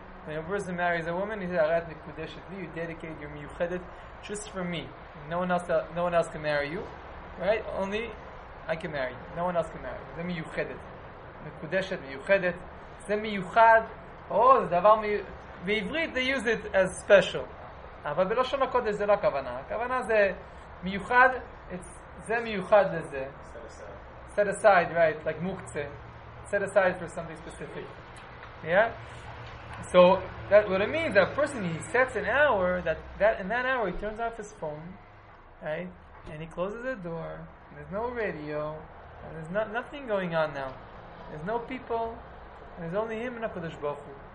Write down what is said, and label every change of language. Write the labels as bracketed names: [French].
[English] When a person marries a woman, he says areat mekudeshet li. You dedicate your miyuchadet just for me. No one else can marry you, right? Only I can marry you. No one else can marry you. The miyuchadet. Mekudeshet miyuchadet. [Hebrew] זה מיוחד, זה דבר מיוחד, בעברית [English] they use it as special, [Hebrew] אבל בלשון הקודש זה לא הכוונה, הכוונה זה מיוחד, זה מיוחד לזה, [English] set aside, right, like מוקצה, set aside for something specific, yeah, so that what it means, that person, he sets an hour, that in that hour he turns off his phone, right, and he closes the door, and there's no radio, and there's nothing going on now, there's no people, and it's only him and HaKadosh Baruch Hu.